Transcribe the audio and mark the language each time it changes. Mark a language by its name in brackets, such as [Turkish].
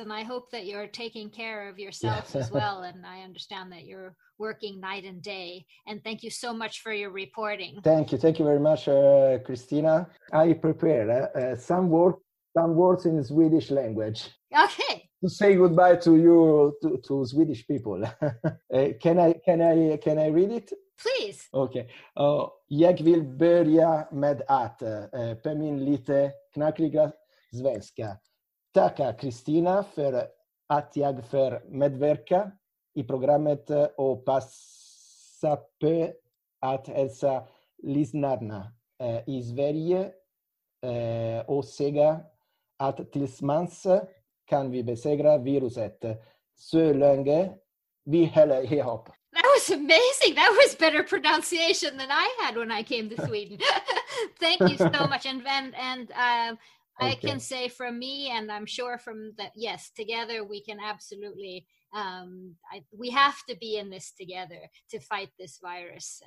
[English] And I hope that you're taking care of yourself as well. And I understand that you're working night and day. And thank you so much for your reporting. Thank you. Thank you very much, Christina. I prepared some words in Swedish language. Okay. To say goodbye to you, to Swedish people. can I read it? Please. Okay. [Swedish] Jag vill börja med att påminna lite knackliga svenska. Tacka Kristina för att jag får medverka i programmet och passa på att hälsa lyssnarna i Sverige och säga att tillsammans kan vi besegra viruset så länge vi håller ihop. [English] That was amazing. That was better pronunciation than I had when I came to Sweden. Thank you so much. And okay. I can say from me, and I'm sure from that, yes, together we can absolutely, we have to be in this together to fight this virus.